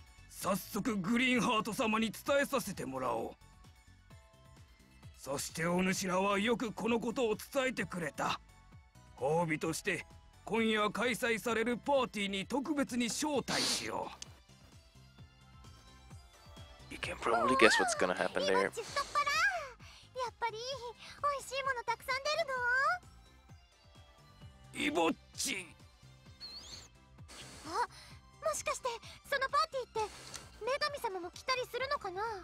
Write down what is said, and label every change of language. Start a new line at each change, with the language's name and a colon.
Japanese: 早速グリーンハート様に伝えさせてもらおう。そしてお主らはよくこのことを伝えてくれた。褒美として今夜開催されるパーティーに特別に招待しよう。
English: You can probably guess what's gonna happen there.
Japanese: 今ちっとっぱら。やっぱり美味しいものたくさん出るの？イボッチ。あ、もしかしてそのパーティーって女神様も来たりするのかな？